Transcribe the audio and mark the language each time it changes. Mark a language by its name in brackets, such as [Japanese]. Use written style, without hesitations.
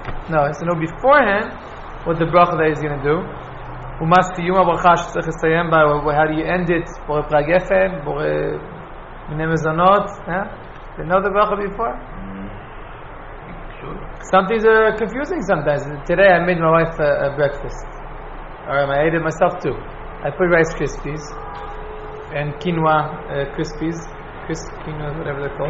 [English] No, he has to know beforehand what the bracha that he's going to do. [Hebrew] ומה סיום הברכה שצריך לסיים בה? [English] How do you end it? [Hebrew] בורא פרי הגפן, בורא מיני מזונות. [English] They know the bracha before? Sure. Some things are confusing sometimes. Today I made my wife a breakfast. Or I ate it myself too. I put Rice Krispies and quinoa crispies. Quinoa, whatever they're called.